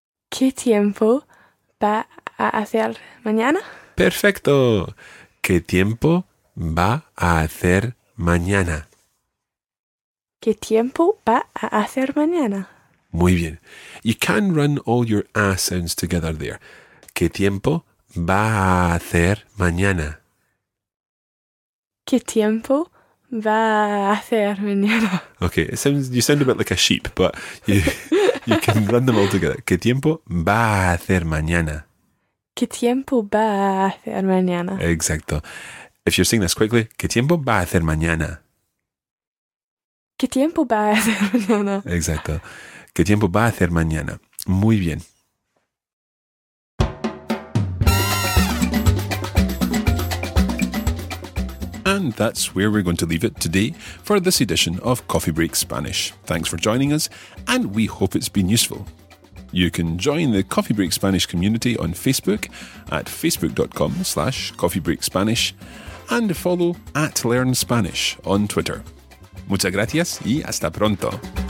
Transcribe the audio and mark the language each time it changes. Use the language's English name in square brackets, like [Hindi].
[Spanish] ¿Qué tiempo va a hacer mañana? Perfecto. ¿Qué tiempo va a hacer mañana? ¿Qué tiempo va a hacer mañana? Muy bien. [English] You can run all your A sounds together there. [Spanish] ¿Qué tiempo va a hacer mañana? ¿Qué tiempo va a hacer mañana? [English] Okay, you sound a bit like a sheep, but you can run them all together. [Spanish] ¿Qué tiempo va a hacer mañana? ¿Qué tiempo va a hacer mañana? Exacto. [English] If you're saying this quickly, [Spanish] ¿qué tiempo va a hacer mañana? ¿Qué tiempo va a hacer mañana? Exacto. ¿Qué tiempo va a hacer mañana? Muy bien. [English] And that's where we're going to leave it today for this edition of Coffee Break Spanish. Thanks for joining us, and we hope it's been useful. You can join the Coffee Break Spanish community on Facebook at facebook.com/coffeebreakspanish and follow @LearnSpanish on Twitter. [Spanish] Muchas gracias y hasta pronto.